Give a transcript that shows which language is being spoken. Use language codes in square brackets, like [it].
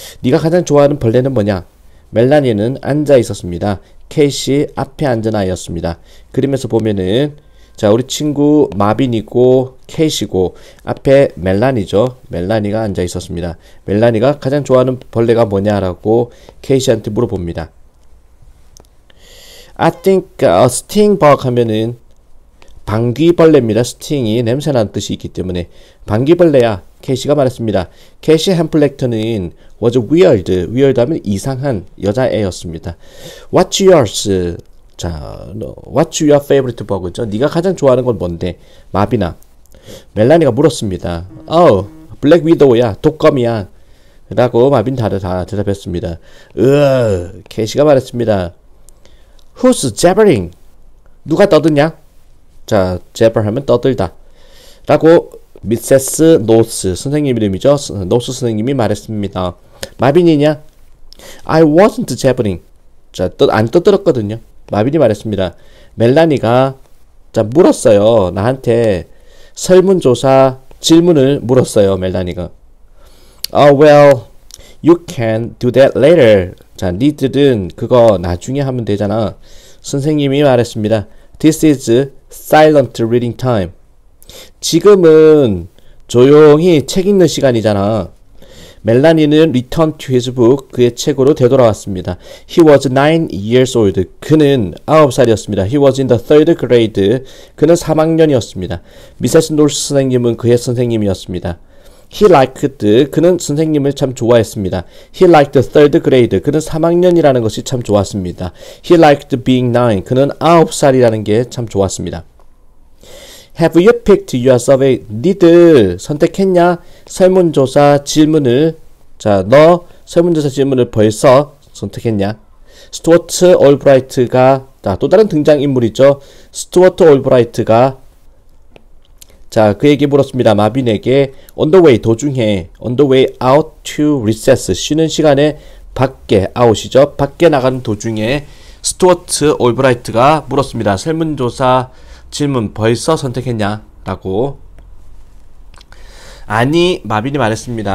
[ko] 네가 가장 좋아하는 벌레는 뭐냐? 멜라니는 앉아 있었습니다. Cassie 앞에 앉은 아이였습니다. 그림에서 보면은 자, 우리 친구 마빈이고 케이시고 앞에 멜라니죠. 멜라니가 앉아 있었습니다. 멜라니가 가장 좋아하는 벌레가 뭐냐라고 케이시한테 물어봅니다. [en] I think stingbug [ko] 하면은 방귀벌레입니다. 스팅이 냄새나는 뜻이 있기 때문에 방귀벌레야. 케이시가 말했습니다. 케이시 햄플렉터는 [en] was weird. weird [ko] 하면 이상한 여자애였습니다. [en] What's yours? [ko] 자, [en] what's your favorite bug [ko] 죠? 네가 가장 좋아하는 건 뭔데? 마비나. 멜라니가 물었습니다. Oh, Black Widow야, 독검이야. 라고 마빈 다 대답했습니다. 케시가 말했습니다. [en] Who's jabbering? [ko] 누가 떠드냐? 자, jabber 하면 떠들다. 라고 미세스 노스 선생님 이름이죠? 노스 선생님이 말했습니다. 마빈이냐? [en] I wasn't jabbering. [ko] 자, 안 떠들었거든요. 마빈이 말했습니다. 멜라니가 자 물었어요. 나한테 설문조사 질문을 물었어요. 멜라니가. [en] Oh, well, you can do that later. [ko] 자, 니들은 그거 나중에 하면 되잖아. 선생님이 말했습니다. [en] This is silent reading time. [ko] 지금은 조용히 책 읽는 시간이잖아. 멜라니는 [en] return to his book, [ko] 그의 책으로 되돌아왔습니다. [en] He was 9 years old. [ko] 그는 9살이었습니다. [en] He was in the third grade. [ko] 그는 3학년이었습니다. 미세스 노스 선생님은 그의 선생님이었습니다. [en] He liked, [ko] 그는 선생님을 참 좋아했습니다. [en] He liked third grade. [ko] 그는 3학년이라는 것이 참 좋았습니다. [en] He liked being 9. [ko] 그는 9살이라는 게참 좋았습니다. [en] Have you picked your survey? [ko] 니들 선택했냐? 설문조사 질문을 자, 너 설문조사 질문을 벌써 선택했냐? 스튜어트 올브라이트가 자, 또 다른 등장인물이죠. 스튜어트 올브라이트가 자, 그에게 물었습니다. 마빈에게 [en] On the way, [ko] 도중에 [en] On the way out to recess, [ko] 쉬는 시간에 밖에, 아웃이죠. 밖에 나가는 도중에 스튜어트 올브라이트가 물었습니다. 설문조사 질문 벌써 선택했냐? 라고 아니, 마빈이 말했습니다.